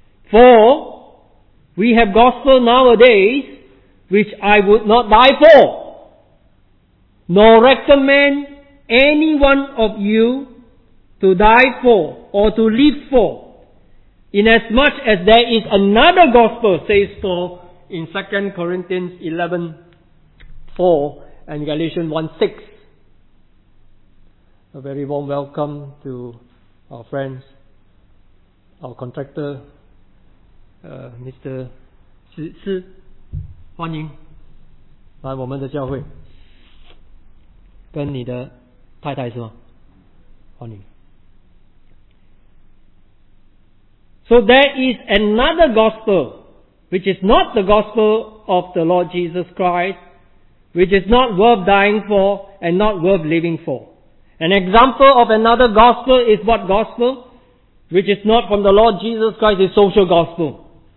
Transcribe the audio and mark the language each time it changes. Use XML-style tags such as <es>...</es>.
<en>For we have gospel nowadays which I would not die for, nor recommend any one of you to die for or to live for, inasmuch as there is another gospel, says Paul in 2 Corinthians 11:4 and Galatians 1:6. A very warm welcome to our friends, our contractor, Mr.</en> <zh>Shi, 欢迎来我们的教会，跟你的太太是吗？欢迎。</zh> <en>So there is another gospel, which is not the gospel of the Lord Jesus Christ, which is not worth dying for and not worth living for. An example of another gospel is what gospel? Which is not from the Lord Jesus Christ, is social gospel.</en>